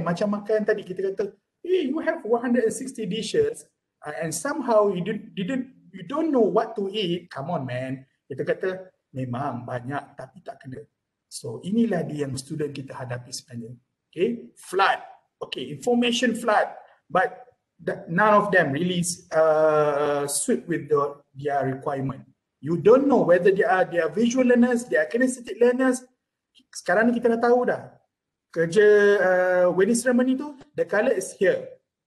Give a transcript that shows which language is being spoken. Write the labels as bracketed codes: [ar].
[ms] Macam makan tadi kita kata, [en] hey, you have 160 dishes and somehow you don't know what to eat. Come on, man. [ms] Kita kata, memang banyak tapi tak kena. So inilah dia yang student kita hadapi sebenarnya. [en] Okay, flood. Okay, information flood. But none of them really suit with their requirement. You don't know whether they are visual learners, they are kinesthetic learners. [ms] Sekarang ni kita dah tahu dah. Kerja wedding ceremony tu, [en] the color is here.